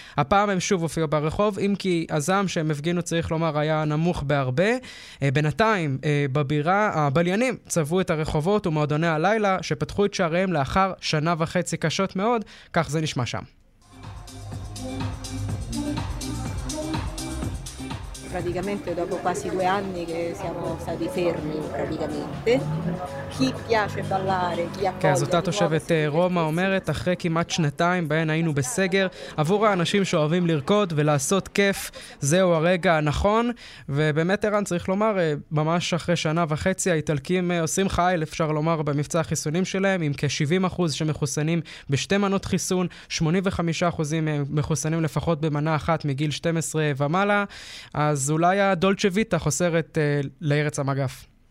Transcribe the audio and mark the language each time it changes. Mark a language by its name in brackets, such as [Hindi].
[Hebrew] הפעם הם שוב הופיעו ברחוב, אם כי הזעם שהם הפגינו צריך לומר היה נמוך בהרבה. בינתיים בבירה הבליינים צבעו את הרחובות ומועדוני הלילה שפתחו את שעריהם לאחר שנה וחצי קשות מאוד, כך זה נשמע שם. [Italian] Praticamente dopo quasi due anni che siamo stati fermi praticamente. Chi piace ballare, chi accoglie... [Hebrew] כן, זאת התושבת רומא אומרת, אחרי כמעט שנתיים בהן היינו בסגר, עבור האנשים שאוהבים לרקוד ולעשות כיף, זהו הרגע הנכון. ובאמת ערן, צריך לומר, ממש אחרי שנה וחצי, האיטלקים עושים חייל, אפשר לומר, במבצע החיסונים שלהם, עם כ-70% שמחוסנים בשתי מנות חיסון, 85% מחוסנים לפחות במנה אחת מגיל 12 ומעלה, אז אולי הדולצ'ה ויטה חוסרת לארץ המגף.